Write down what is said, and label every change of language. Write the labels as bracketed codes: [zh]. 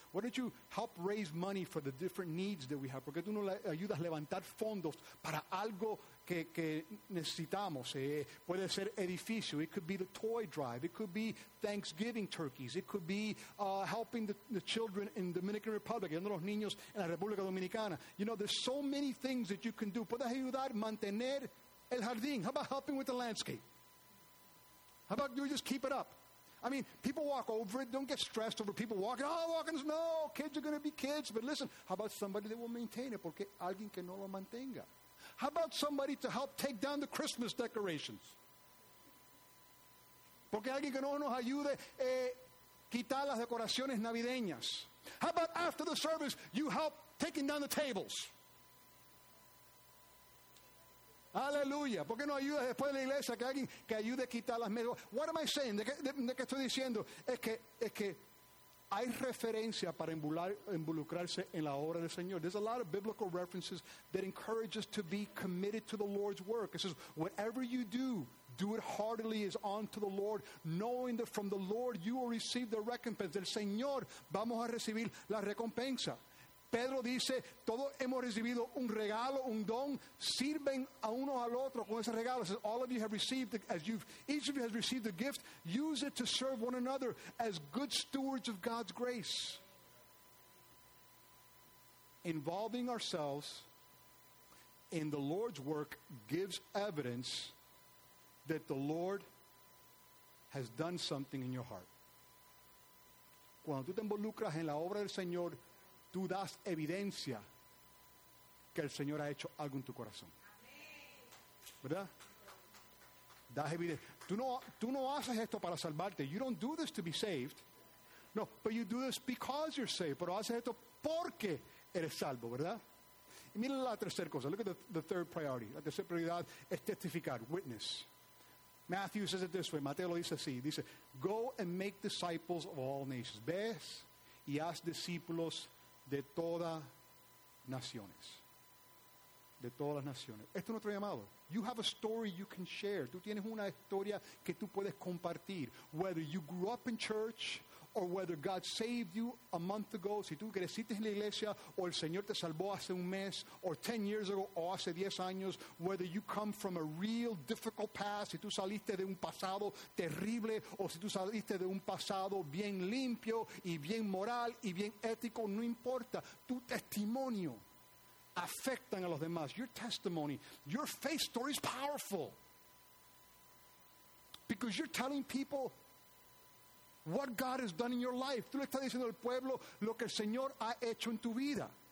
[en] Why don't you help raise money for the different needs that we have? [es] ¿Por qué tú no ayudas a levantar fondos para algo que necesitamos? Puede ser edificio. [en] It could be the toy drive. It could be Thanksgiving turkeys. It could be helping the children in Dominican Republic, [es] ayudando a los niños en la República Dominicana. [en] You know, there's so many things that you can do. [es] Puedes ayudar a mantener el jardín. [en] How about helping with the landscape? How about you just keep it up? I mean, people walk over it. Don't get stressed over people walking. Oh, walking. No, kids are going to be kids. But listen, how about somebody that will maintain it? [es] Porque alguien que no lo mantenga. [en] How about somebody to help take down the Christmas decorations? [es] Porque alguien que no nos ayude quitar las decoraciones navideñas. [en] How about after the service, you help taking down the tables? [es] Aleluya. ¿Por qué no ayuda después de la iglesia que alguien que ayude a quitar las mesas? [en] What am I saying? [es] ¿De qué estoy diciendo? Es que hay referencia para involucrarse en la obra del Señor. [en] There's a lot of biblical references that encourage us to be committed to the Lord's work. It says, whatever you do, do it heartily as unto the Lord, knowing that from the Lord you will receive the recompense. [es] Del Señor vamos a recibir la recompensa. Pedro dice, todos hemos recibido un regalo, un don, sirven a uno al otro con ese regalo. [en] It says, all of you have received, each of you has received a gift, use it to serve one another as good stewards of God's grace. Involving ourselves in the Lord's work gives evidence that the Lord has done something in your heart. [es] Cuando tú te involucras en la obra del Señor, tú das evidencia que el Señor ha hecho algo en tu corazón. ¿Verdad? Das evidencia. Tú no haces esto para salvarte. [en] You don't do this to be saved. No, but you do this because you're saved. [es] Pero haces esto porque eres salvo, ¿verdad? Y mira la tercera cosa. [en] Look at the third priority. [es] La tercera prioridad es testificar, [en] witness. Matthew says it this way. [es] Mateo lo dice así. [en] Dice, go and make disciples of all nations. [es] Ves y haz discípulos de todas naciones. De todas las naciones. Esto es nuestro llamado. [en] You have a story you can share. [es] Tú tienes una historia que tú puedes compartir. [en] Whether you grew up in church or whether God saved you a month ago. [es] Si tú creciste en la iglesia o el Señor te salvó hace un mes [en] or 10 years ago [es] o hace 10 años. [en] Whether you come from a real difficult past. [es] Si tú saliste de un pasado terrible o si tú saliste de un pasado bien limpio y bien moral y bien ético. No importa. Tu testimonio afectan a los demás. [en] Your testimony, your faith story is powerful. Because you're telling people what God has done in your life. [es] Tú le estás diciendo al pueblo lo que el Señor ha hecho en tu vida.